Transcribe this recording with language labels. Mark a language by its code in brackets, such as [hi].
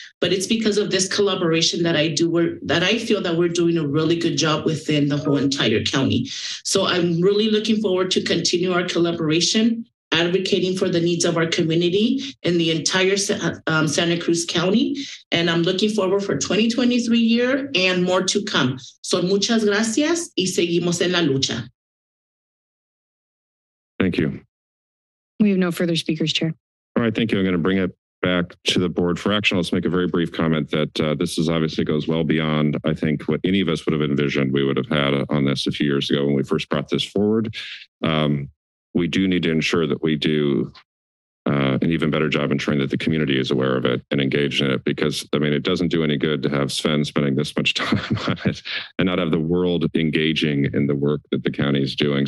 [en] But it's because of this collaboration that I do that I feel that we're doing a really good job within the whole entire county. So I'm really looking forward to continue our collaboration, advocating for the needs of our community and the entire Santa Cruz County. And I'm looking forward for 2023 year and more to come. So [es] muchas gracias y seguimos en la lucha. [en] Thank you. We have no further speakers, Chair. All right, thank you. I'm going to bring it back to the board for action. Let's make a very brief comment that this is obviously goes well beyond, I think, what any of us would have envisioned we would have had on this a few years ago when we first brought this forward. We do need to ensure that we do an even better job ensuring that the community is aware of it and engaged in it, because, I mean, it doesn't do any good to have Sven spending this much time on it and not have the world engaging in the work that the county is doing.